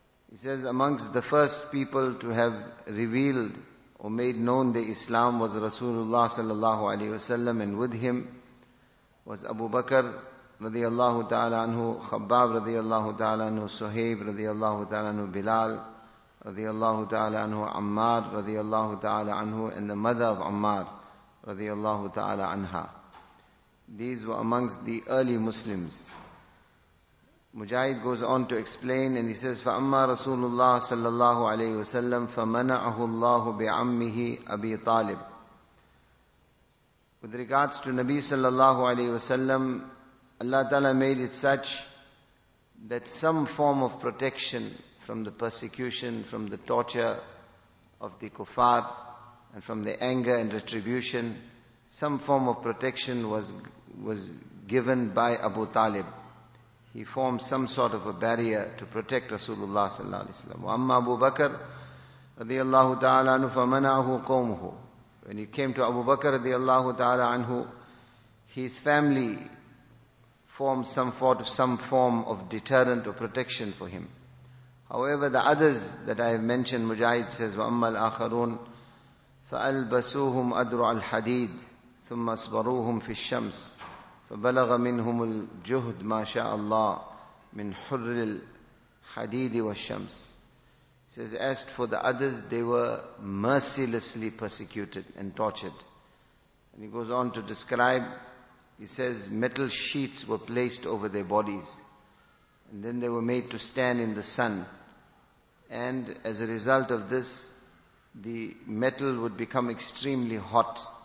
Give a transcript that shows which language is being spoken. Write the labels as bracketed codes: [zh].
[en] He says amongst the first people to have revealed or made known the Islam was Rasulullah sallallahu alayhi wa sallam, and with him was Abu Bakr radiyallahu ta'ala anhu, Khabbab radiyallahu ta'ala anhu, Suhaib radiyallahu ta'ala anhu, Bilal radiyallahu ta'ala anhu, Ammar radiyallahu ta'ala anhu, and the mother of Ammar radiyallahu ta'ala anha. These were amongst the early Muslims. Mujahid goes on to explain and he says, [ar] فَأَمَّا رَسُولُ اللَّهُ صَلَّى اللَّهُ عَلَيْهِ وَسَلَّمْ فَمَنَعَهُ اللَّهُ بِعَمِّهِ أَبِي طَالِبْ. [en] With regards to Nabi sallallahu alayhi wasallam, Allah ta'ala made it such that some form of protection from the persecution, from the torture of the kuffar, and from the anger and retribution, some form of protection was given by Abu Talib. He formed some sort of a barrier to protect Rasulullah sallallahu alaihi wasallam. [ar] Wa amma Abu Bakr radiyallahu ta'ala anhu fa mana'ahu qawmuhu. [en] When he came to Abu Bakr radiyallahu ta'ala anhu, his family formed some form of deterrent or protection for him. However, the others that I have mentioned, Mujahid says, [ar] wa amma al-akharun فألبسوهم أدرع الحديد ثم أصبروهم في الشمس فبلغ منهم الجهد ما شاء الله من حر الحديد والشمس. [en] He says, as for the others, they were mercilessly persecuted and tortured. And he goes on to describe, he says, metal sheets were placed over their bodies. And then they were made to stand in the sun. And as a result of this, the metal would become extremely hot.